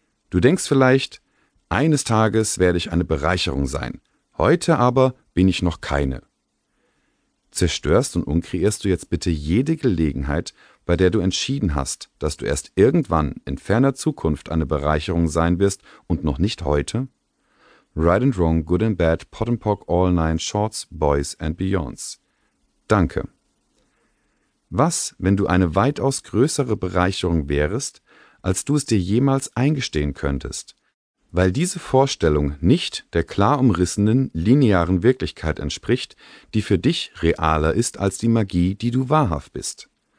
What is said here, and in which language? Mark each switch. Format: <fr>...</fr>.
<de>Du denkst vielleicht, eines Tages werde ich eine Bereicherung sein. Heute aber bin ich noch keine. Zerstörst und umkreierst du jetzt bitte jede Gelegenheit, bei der du entschieden hast, dass du erst irgendwann in ferner Zukunft eine Bereicherung sein wirst und noch nicht heute?</de> <en>Right and wrong, good and bad, pot and pock, all nine, shorts, boys and beyonds.</en> <de>Danke. Was, wenn du eine weitaus größere Bereicherung wärest, als du es dir jemals eingestehen könntest, weil diese Vorstellung nicht der klar umrissenen, linearen Wirklichkeit entspricht, die für dich realer ist als die Magie, die du wahrhaft bist?</de>